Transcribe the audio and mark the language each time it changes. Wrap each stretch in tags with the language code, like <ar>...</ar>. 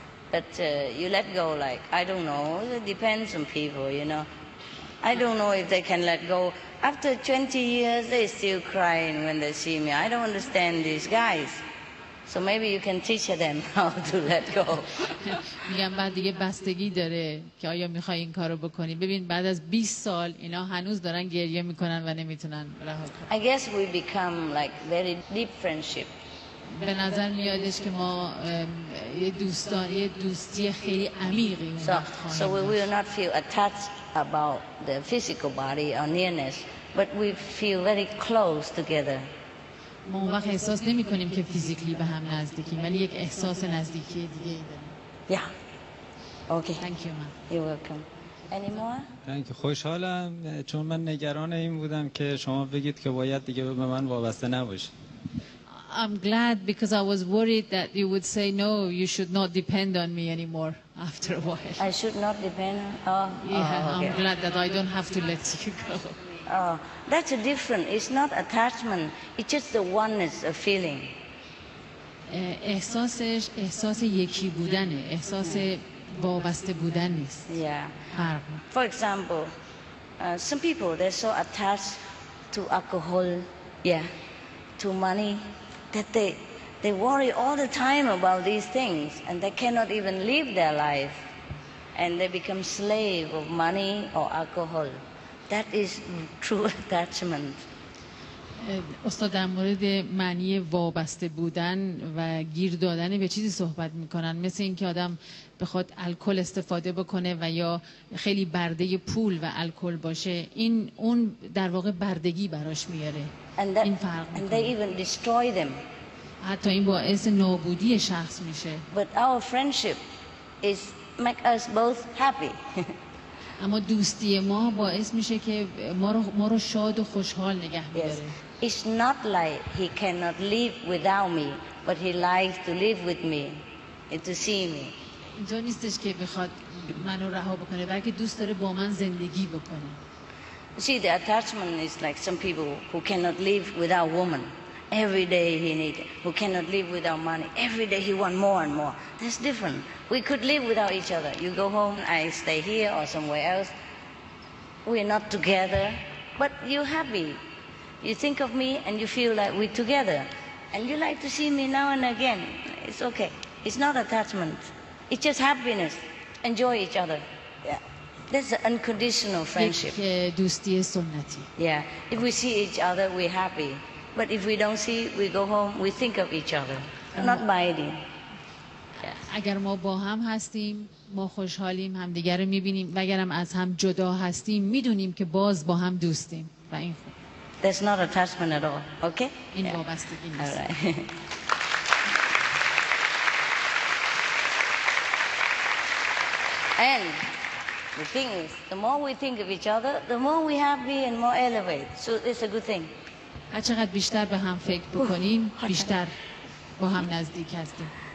<en>But you let go like, I don't know, it depends on people, you know. I don't know if they can let go. After 20 years, they still crying when they see me. I don't understand these guys. So maybe you can teach them how to let go.</en> <fa>میگم بعد دیگه بستگی داره که آیا میخوای این کارو بکنی. ببین بعد از 20 سال اینا هنوز دارن گریه میکنن و نمیتونن رها کنن.</fa> <en>I guess we become like very deep friendship.</en> <fa>به نظر میادش که ما یه دوستانه دوستی خیلی عمیقی اون وقت خواهیم داشت.</fa> <en>So we will not feel attached about the physical body or nearness, but we feel very close together.</en> <fa>ما اون وقت احساس نمی کنیم که فیزیکلی به هم نزدیکیم ولی یک احساس نزدیکی دیگه ای داریم.</fa> <en>Yeah. Okay. Thank you, ma'am. You're welcome. Any more? Thank you.</en> <fa>خوشحالم چون من نگران این بودم که شما بگید که باید دیگه به من وابسته نباشید.</fa> <en>I'm glad because I was worried that you would say no, you should not depend on me anymore after a while. I should not depend? Yeah, I'm glad that I don't have to let you go. Oh, that's a different. It's not attachment. It's just the oneness of feeling.</en> <fa>احساسش احساس یکی بودنه. احساس وابسته بودن نیست.</fa> <en>Yeah. For example, some people they're so attached to alcohol, to money, that they worry all the time about these things, and they cannot even live their life, and they become slave of money or alcohol. That is true attachment.</en> <fa>استاد در مورد معنی وابسته بودن و گیر دادن به چیزی صحبت میکنن مثل اینکه آدم بخواد الکل استفاده بکنه و یا خیلی برده پول و الکل باشه این اون در واقع بردگی براش میاره این فرق میکنه</fa> <en>and they even destroy them.</en> <fa>حتی این باعث نابودی شخص میشه</fa> <en>but our friendship is make us both happy.</en> <fa>اما دوستی ما باعث میشه که ما رو شاد و خوشحال نگه می‌داره.</fa> <en>It's not like he cannot live without me, but he likes to live with me and to see me.</en> <fa>اینطور نیستش که بخواد منو رها بکنه، بلکه دوست داره با من زندگی بکنه.</fa> <en>See, the attachment is like some people who cannot live without woman. Every day he need, who cannot live without money. Every day he want more and more. That's different. We could live without each other. You go home, I stay here or somewhere else. We're not together, but you're happy. You think of me and you feel like we're together. And you like to see me now and again. It's okay. It's not attachment. It's just happiness. Enjoy each other. Yeah. That's an unconditional friendship. Yeah. If we see each other, we're happy. But if we don't see, we go home, we think of each other, not biding.</en> <fa>اگر ما با هم هستیم ما خوشحالیم همدیگر رو میبینیم و اگرم از هم جدا هستیم میدونیم که باز با هم دوستیم و این خوب</fa> <en>That's not attachment at all, okay?</en> <fa>این وابستگی نیست.</fa> <en>All right. And the thing is, the more we think of each other, the more we happy and more elevate. So it's a good thing.</en> <fa>هر چقدر بیشتر به هم فکر بکنیم بیشتر با هم نزدیک هستیم.</fa>